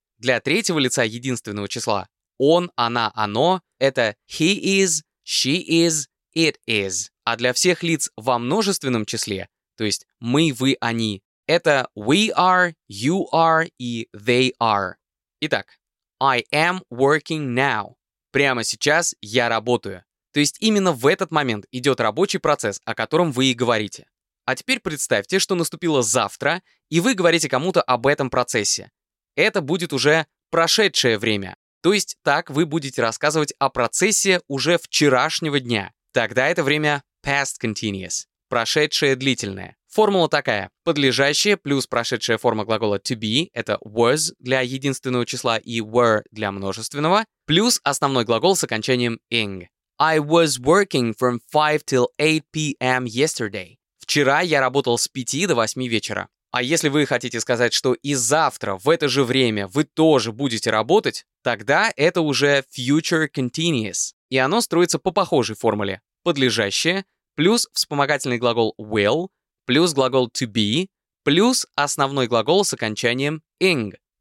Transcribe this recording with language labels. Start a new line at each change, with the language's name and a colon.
Russian: Для третьего лица единственного числа «он», «она», «оно» — это
English: he is, she is, it is.
Russian: А для всех лиц во множественном числе, то есть «мы», «вы», «они», это
English: we are, you are
Russian: и
English: they are. Итак, I am working now.
Russian: Прямо сейчас я работаю. То есть именно в этот момент идет рабочий процесс, о котором вы и говорите. А теперь представьте, что наступило завтра, и вы говорите кому-то об этом процессе. Это будет уже прошедшее время. То есть так вы будете рассказывать о процессе уже вчерашнего дня. Тогда это время past continuous, прошедшее длительное. Формула такая. Подлежащее плюс прошедшая форма глагола to be, это was для единственного числа и were для множественного, плюс основной глагол с окончанием -ing.
English: I was working from 5 till 8 p.m. yesterday.
Russian: Вчера я работал с 5 до 8 вечера. А если вы хотите сказать, что и завтра в это же время вы тоже будете работать, тогда это уже future continuous. И оно строится по похожей формуле. Подлежащее плюс вспомогательный глагол will, плюс глагол to be, плюс основной глагол с окончанием -ing.